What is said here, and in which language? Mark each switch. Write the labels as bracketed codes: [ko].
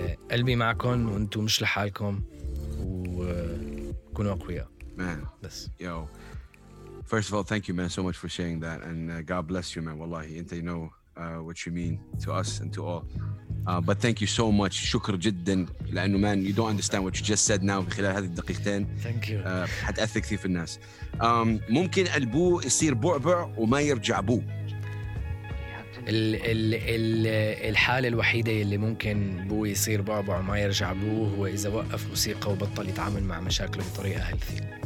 [ar] قلبي معكم وانتم مش لحالكم, وكونوا أقوياء. [en] Man, [ar] بس. [en] Yo, first of all, thank you, man, so much for saying that, and God bless you, man. Wallahi, [ar] أنت [en] you know what you mean to us and to all. But thank you so much. [ar] شكر جدا, لأنه [en] man, you don't understand what you just said now [ar] خلال هذه الدقيقتين. [en] Thank you. [ar] حتأثر كثير في الناس. ممكن البو يصير بعبع وما يرجع بو. الحالة الوحيدة اللي ممكن بو يصير بعبع وما يرجع بو هو إذا وقف موسيقى وبطل يتعامل مع مشاكله بطريقة healthy.